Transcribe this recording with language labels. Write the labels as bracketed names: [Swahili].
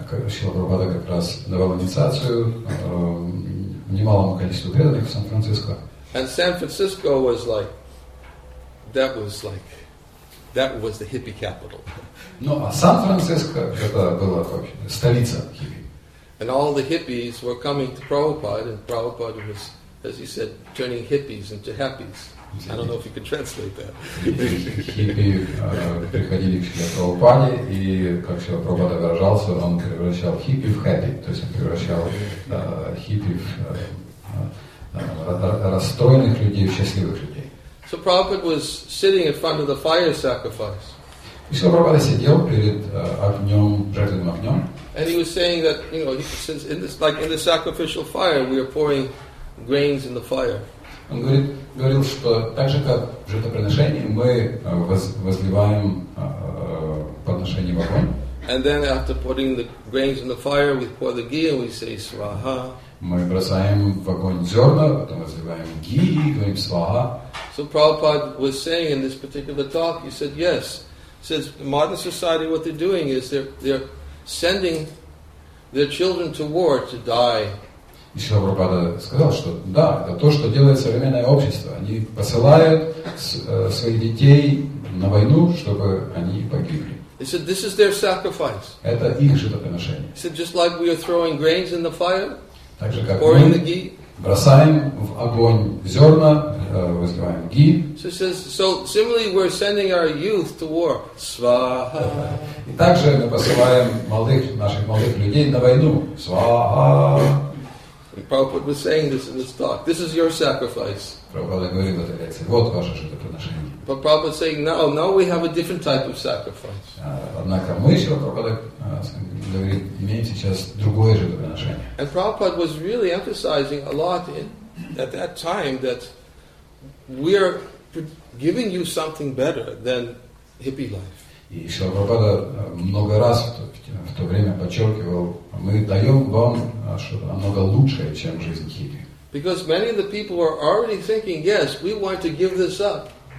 [Russian] Шрила Прабхупада как раз давал инициацию немалому количеству преданных в Сан-Франциско. [English] And San Francisco was like, that was the hippie capital. [Russian] Ну, а Сан-Франциско, это была столица хиппи. [English] And all the hippies were coming to Prabhupada, and Prabhupada was, as he said, turning hippies into happies. I don't know if you can translate that. [Russian] Хиппи приходили к Шриле Прабхупаде, и как Шрила Прабхупада выражался, он превращал хиппи в хэппи, то есть он превращал хиппи в расстроенных людей в счастливых людей. [English] So Prabhupada was sitting in front of the fire sacrifice. [Russian] Шрила Прабхупада сидел перед огнем, жертвенным огнем. [English] And he was saying that, you know, since in the sacrificial fire, we are pouring grains in the fire. [Russian] Он говорил, что так же, как в жертвоприношении, мы возливаем подношение в огонь. [English] And then after putting the grains in the fire, we pour the ghee and we say swaha. [Russian] Мы бросаем в огонь зерна, потом возливаем ги и говорим сваха. [English] So Prabhupada was saying in this particular talk, he said, yes, since modern society, what they're doing is they're sending their children to war to die. [Russian] И Шрила Прабхупада сказал, что да, это то, что делает современное общество. Они посылают своих детей на войну, чтобы они погибли. [English] He said, this is their sacrifice. [Russian] Это их жертвоприношение. [English] He said, just like we are throwing grains in the fire, [Russian] так же, [English] pouring the ghee. [Russian] Бросаем в огонь зерна, вызываем ги. [English] So similarly, we're sending our youth to war. [Sanskrit] Сваха. [Russian] И также мы посылаем молодых, наших молодых людей на войну. [Sanskrit] Сваха. [English] Prabhupada was saying this in his talk. This is your sacrifice. [Russian] Прабхупада говорил это лекции. Вот ваше жертвоприношение. [English] But Prabhupada was saying, now we have a different type of sacrifice. [Russian] Однако мы еще, Прабхупада говорит, имеем сейчас другое жертвоприношение. [English] And Prabhupada was really emphasizing a lot in at that time that we are giving you something better than hippie life. [Russian] И Шрила Прабхупада много раз в то время подчеркивал, мы даем вам что-то намного лучшее, чем жизнь хиппи. [English] Because many of the people were already thinking, yes, we want to give this up.